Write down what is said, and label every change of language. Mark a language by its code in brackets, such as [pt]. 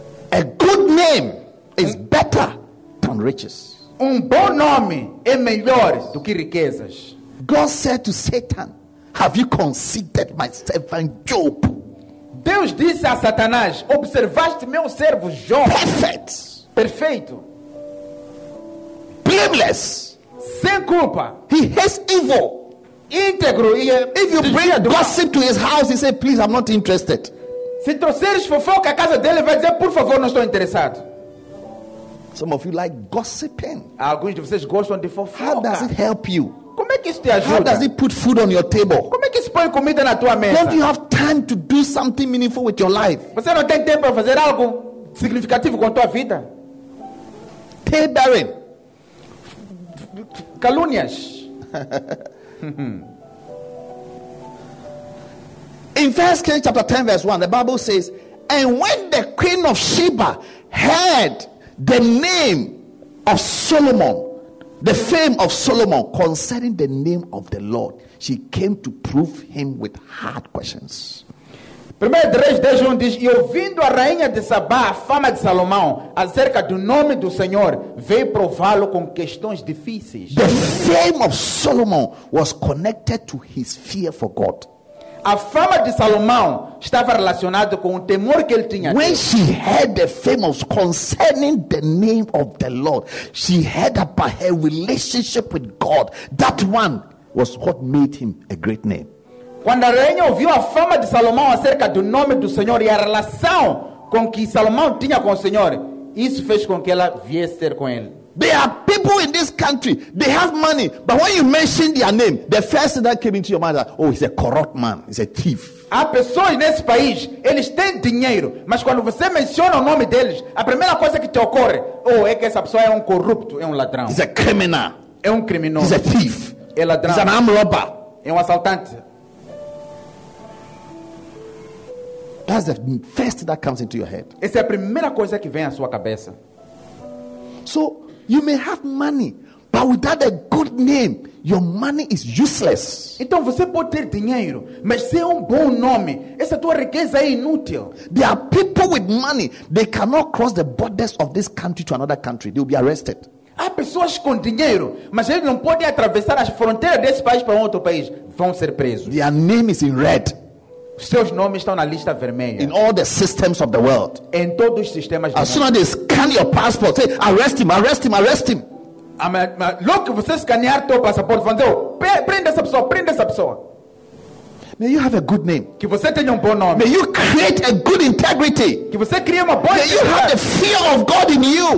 [en] A good name is better than riches. [pt] Bom nome é melhor do que riquezas. [en] God said to Satan, have you considered my servant Job? [pt] Deus disse a Satanás, observaste meu servo Jó? [en] Perfect. [pt] Perfeito. [en] Blameless. [pt] Sem culpa. [en] He hates evil. [pt] Íntegro. [en] If you bring a gossip to his house, he says, please, I'm not interested. [pt] Se trouxeres fofoca à casa dele, vai dizer, por favor, não estou interessado. [en] Some of you like gossiping. [pt] Alguns de vocês gostam de fofoca. [en] How does it help you? [pt] Como é que isso te ajuda? [en] How does it put food on your table? [pt] Como é que isso põe comida na tua mesa? [en] Don't you have time to do something meaningful with your life? [pt] Você não tem tempo para fazer algo significativo com a tua vida? [en] Tear barren. [pt] Calúnias. [en] In 1 Kings chapter 10 verse 1, the Bible says, and when the queen of Sheba heard the name of Solomon, the fame of Solomon concerning the name of the Lord, she came to prove him with hard questions. [pt] Primeiro de Reis 10:1 diz, e ouvindo a rainha de Sabá a fama de Salomão acerca do nome do Senhor, veio prová-lo com questões difíceis. [en] The fame of Solomon was connected to his fear for God. [pt] A fama de Salomão estava relacionada com o temor que ele tinha. [en] When she heard the famous concerning the name of the Lord, she heard about her relationship with God. That one was what made him a great name. [pt] Quando a rainha ouviu a fama de Salomão acerca do nome do Senhor e a relação com que Salomão tinha com o Senhor, isso fez com que ela viesse ter com ele. [en] There are people in this country, they have money, but when you mention their name, the first thing that came into your mind is, oh, he's a corrupt man, he's a thief. [pt] Há pessoas nesse país, eles têm dinheiro, mas quando você menciona o nome deles, a primeira coisa que te ocorre, oh, é que essa pessoa é um corrupto, é um ladrão. [en] He's a criminal. [pt] É um criminoso. [en] He's a thief. [pt] É ladrão. [en] He's an armed robber. [pt] É um assaltante. [en] That's the first thing that comes into your head. [pt] Essa é a primeira coisa que vem à sua cabeça. [en] So, you may have money, but without a good name, your money is useless. [pt] Então você pode ter dinheiro, mas sem um bom nome, essa tua riqueza é inútil. [en] There are people with money, they cannot cross the borders of this country to another country. They will be arrested. [pt] Há pessoas com dinheiro, mas eles não podem atravessar as fronteiras desse país para outro país. Vão ser presos. [en] Their name is in red. [pt] Seus nomes estão na lista vermelha. [en] In all the systems of the world. [pt] Em todos os sistemas do mundo. [en] As soon as they scan your passport, say, arrest him, arrest him, arrest him. Look, [pt] você escanear teu passaporte, vão dizer, prende essa pessoa, prende essa pessoa. [en] May you have a good name. [pt] Que você tenha um bom nome. [en] May you create a good integrity. [pt] Que você crie uma boa integridade. [en] May you have the fear of God in you.